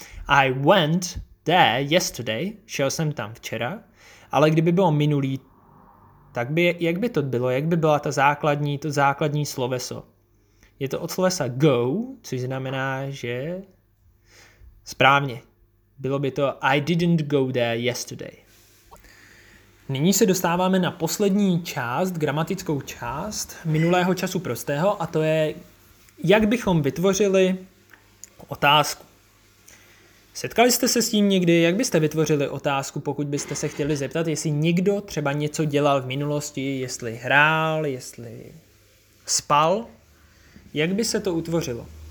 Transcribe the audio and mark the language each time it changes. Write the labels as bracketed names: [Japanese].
[English] I went there yesterday, [Czech] šel jsem tam včera, ale kdyby bylo minulý, tak by, jak by to bylo, jak by byla to základní sloveso? Je to od slovesa go, což znamená, že správně. Bylo by to [English] I didn't go there yesterday. [Czech] Nyní se dostáváme na poslední část, gramatickou část minulého času prostého, a to je, jak bychom vytvořili otázku. Setkali jste se s tím někdy, jak byste vytvořili otázku, pokud byste se chtěli zeptat, jestli někdo třeba něco dělal v minulosti, jestli hrál, jestli spal, jak by se to utvořilo?